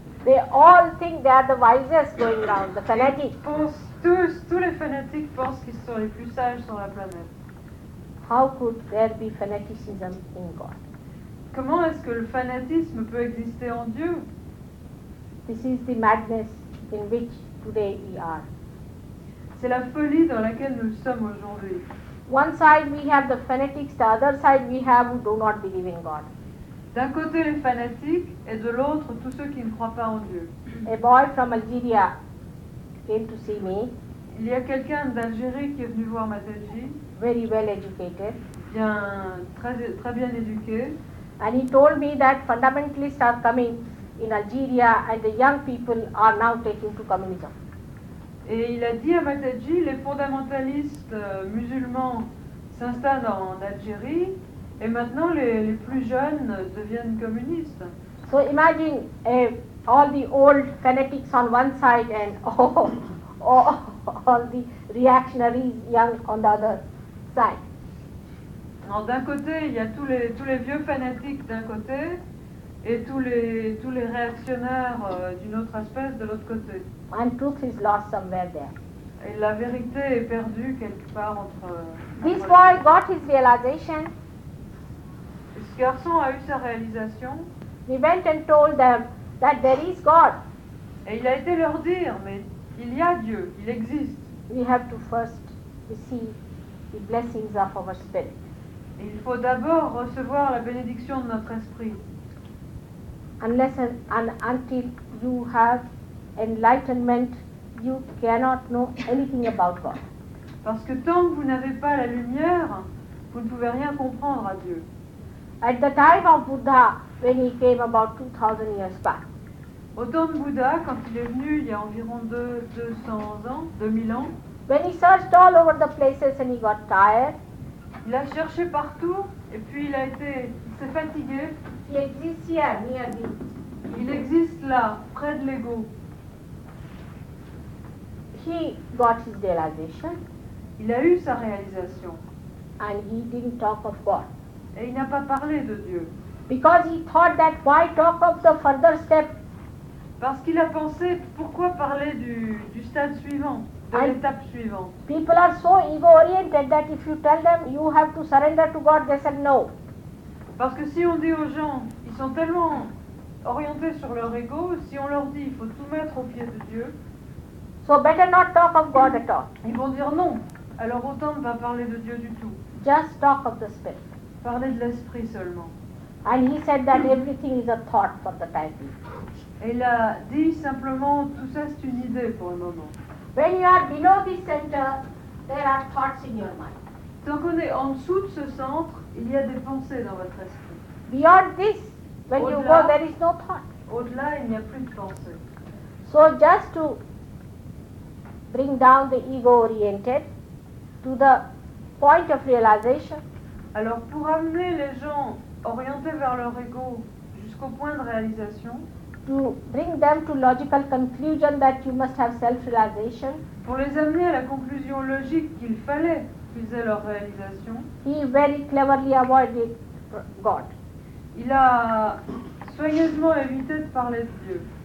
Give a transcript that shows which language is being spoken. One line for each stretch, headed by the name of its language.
English: They all think they are the wisest going around, the fanatics.
French: Ils pensent tous, tous les fanatiques pensent qu'ils sont les plus sages sur la planète.
English: How could there be fanaticism in God?
French: Comment est-ce que le fanatisme peut exister en Dieu?
English: This is the madness in which today we are.
French: C'est la folie dans laquelle nous sommes aujourd'hui.
English: One side we have the fanatics, the other side we have who do not believe in God.
French: D'un côté les fanatiques et de l'autre tous ceux qui ne croient pas en Dieu.
English: A boy from Algeria came to see me.
French: Il y a quelqu'un d'Algérie qui est venu voir Mataji.
English: Very well educated.
French: Bien, très, très bien éduqué.
English: And he told me that fundamentalists are coming in Algeria and the young people are now taking to communism.
French: Et il a dit à Mataji, les fondamentalistes musulmans s'installent en Algérie et maintenant les plus jeunes deviennent communistes.
English: So imagine all the old fanatics on one side and all the reactionaries young on the other side.
French: Alors d'un côté, il y a tous les vieux fanatiques d'un côté et tous les réactionnaires d'une autre espèce de l'autre côté.
English: And truth is lost somewhere there.
French: Et la vérité est perdue quelque part entre...
English: This boy got his realization.
French: Ce garçon a eu sa réalisation.
English: He went and told them that there is God.
French: Et il a été leur dire, mais il y a Dieu, il existe.
English: We have to first receive the blessings of our spirit.
French: Et il faut d'abord recevoir la bénédiction de notre esprit.
English: Unless and until you have enlightenment, you cannot know anything about God.
French: Parce que tant que vous n'avez pas la lumière, vous ne pouvez rien comprendre à Dieu.
English: At the time of Buddha, when he came about 2000 years back.
French: Au temps de Bouddha, quand il est venu, il y a environ 200 ans, 2000 ans.
English: When he searched all over the places and he got tired.
French: Il a cherché partout et puis il s'est fatigué.
English: He exists here, near me.
French: Il existe là, près de l'ego.
English: He got his realization.
French: Il a eu sa réalisation.
English: And he didn't talk of God.
French: Et il n'a pas parlé de Dieu.
English: Because he thought that why talk of the further step?
French: Parce qu'il a pensé pourquoi parler du stade suivant, de l'étape suivante.
English: People are so ego oriented that if you tell them you have to surrender to God, they said no.
French: Parce que si on dit aux gens, ils sont tellement orientés sur leur ego, si on leur dit il faut tout mettre au pied de Dieu.
English: So better not talk of God at all.
French: Ils vont dire non. Alors autant ne pas parler de Dieu du tout.
English: Just talk of the spirit.
French: Parler de l'esprit seulement.
English: And he said that everything is a thought for the time being.
French: Et il a dit simplement tout ça c'est une idée pour le moment.
English: When you are below this center, there are thoughts in your mind.
French: Tant qu'on est en dessous de ce centre, il y a des pensées dans votre esprit.
English: Beyond this, when
French: au-delà,
English: you go, there is no thought.
French: Au-delà, il n'y a plus de pensée.
English: So just to bring down the ego-oriented to the point of realization.
French: Alors pour amener les gens orientés vers leur ego jusqu'au point de réalisation.
English: To bring them to logical conclusion that you must have self-realization.
French: Pour les amener à la conclusion logique qu'il fallait qu'ils aient leur réalisation.
English: He very cleverly avoided God.
French: Il a soigneusement évité de parler de Dieu.